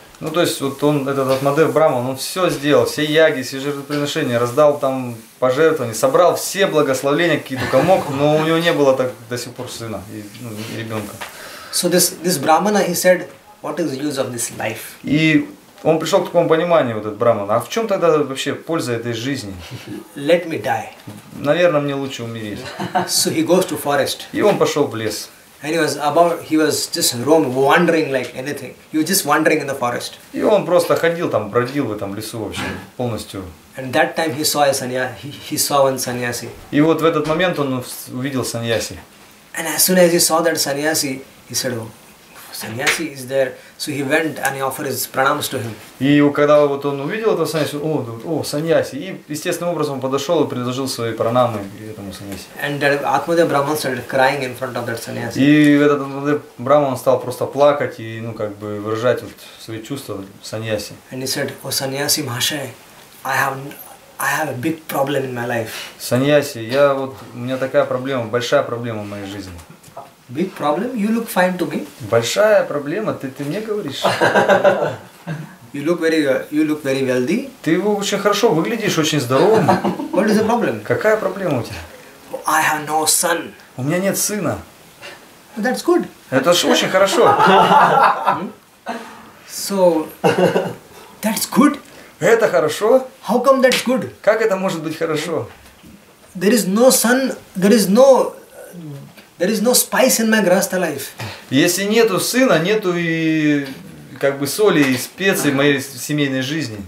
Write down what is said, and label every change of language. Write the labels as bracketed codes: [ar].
[ru] Ну, то есть, вот он, этот Атмадев Брахман, он все сделал, все яги, все жертвоприношения, раздал там пожертвования, собрал все благословения, какие только мог, но у него не было так до сих пор сына, ребенка. [en] So this Brahmana, he said, what is the use of this life? [ru] И он пришел к такому пониманию, вот этот Брахман, а в чем тогда вообще польза этой жизни? [en] Let me die. [ru] Наверное, мне лучше умереть. [en] So he goes to forest. [ru] И он пошел в лес. [en] And he was just roaming, wandering like anything. He was just wandering in the forest. [ru] И он просто ходил там, бродил в этом лесу вообще полностью. [en] And that time he saw a sannyasi. He saw one sannyasi. [ru] И вот в этот момент он увидел sannyasi. [en] And as soon as he saw that sannyasi, he said, "Sannyasi is there." So he went and he offered his pranams to him. [ru] И когда вот он увидел этого sannyasi, о, sannyasi, и естественным образом подошел и предложил свои пранамы этому sannyasi. [en] And Atmadev Brahman started crying in front of that sannyasi. [ru] И этот Атмадев Брахман стал просто плакать и как бы выражать вот свои чувства sannyasi. [en] And he said, "O sannyasi mahashay, I have a big problem in my life." [ru] Sannyasi, у меня такая проблема, большая проблема в моей жизни. [en] Big problem? You look fine to me. [ru] Большая проблема? Ты мне говоришь? [en] You look very wealthy. [ru] Ты очень хорошо выглядишь, очень здоровым. [en] What is the problem? [ru] Какая проблема у тебя? [en] I have no son. [ru] У меня нет сына. [en] That's good. [ru] Это ж очень хорошо. [en] So that's good. [ru] Это хорошо? [en] How come that's good? [ru] Как это может быть хорошо? [en] There is no son. There is no spice in my grahastha life. [ru] Если нету сына, нету и как бы соли и специй в моей семейной жизни.